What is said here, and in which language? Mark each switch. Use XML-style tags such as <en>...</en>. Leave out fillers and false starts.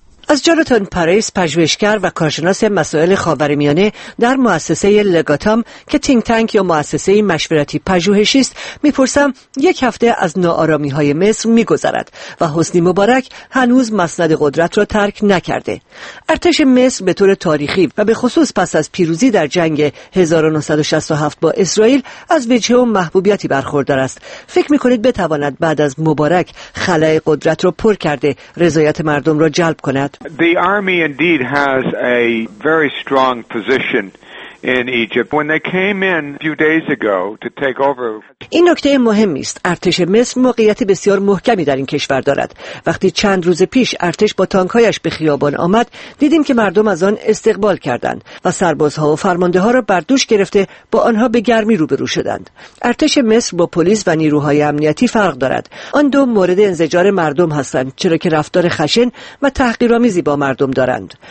<fa>از جاناتان پاریس، پژوهشگر و کارشناس مسائل خاورمیانه در مؤسسه لگاتام که تینگ تانک یا مؤسسه مشورتی پژوهشی است، میپرسم یک هفته از ناآرامی‌های مصر می‌گذرد و حسنی مبارک هنوز مسند قدرت را ترک نکرده. ارتش مصر به طور تاریخی و به خصوص پس از پیروزی در جنگ 1967 با اسرائیل از وجهه و محبوبیتی برخوردار است. فکر می‌کنید بتواند بعد از مبارک خلأ قدرت را پر کرده، رضایت مردم را جلب کند؟</fa> <en>The army indeed has a very strong position in Egypt. When they came in a few days ago to take over.</en> <fa>این نکته مهمی است. ارتش مصر موقعیت بسیار محکمی در این کشور دارد. وقتی چند روز پیش ارتش با تانک‌هایش به خیابان آمد، دیدیم که مردم از آن استقبال کردند و سربازها و فرمانده‌ها را بر دوش گرفته با آنها به گرمی روبرو شدند. ارتش مصر با پلیس و نیروهای امنیتی فرق دارد. آن دو مورد انزجار مردم هستند، چرا که رفتار خشن و تحقیرآمیزی با مردم دارند.</fa>